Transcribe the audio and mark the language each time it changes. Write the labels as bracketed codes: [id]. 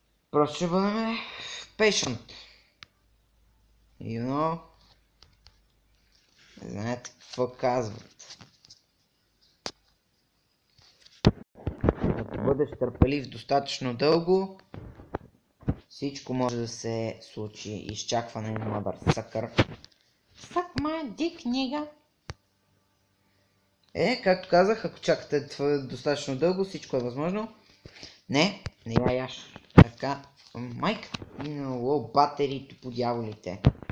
[bg] Просто ще бъдем patient. [en] You know? [bg] Знаете какво казват. Ако бъдеш търпелив достатъчно дълго, всичко може да се случи. Изчакване, [en] mother sucker. Suck my dick, nigga! [bg] Е, както казах, ако чакате достатъчно дълго, всичко е възможно. Не, не я яш. Така, майка, минало батерито по дяволите.